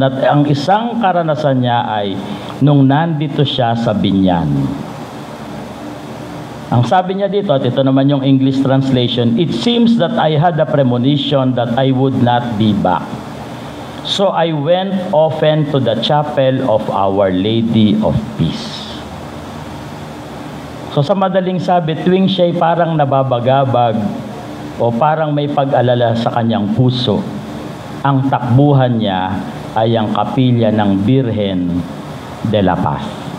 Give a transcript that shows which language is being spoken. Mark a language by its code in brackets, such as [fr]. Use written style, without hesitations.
[tl] At ang isang karanasan niya ay nung nandito siya sa Biñan. Ang sabi niya dito, at ito naman yung English translation, [en] "It seems that I had a premonition that I would not be back. So I went often to the chapel of Our Lady of Peace." [tl] So sa madaling sabi, tuwing siya'y parang nababagabag o parang may pag-alala sa kanyang puso, ang takbuhan niya ay ang kapilya ng Birhen de la Paz.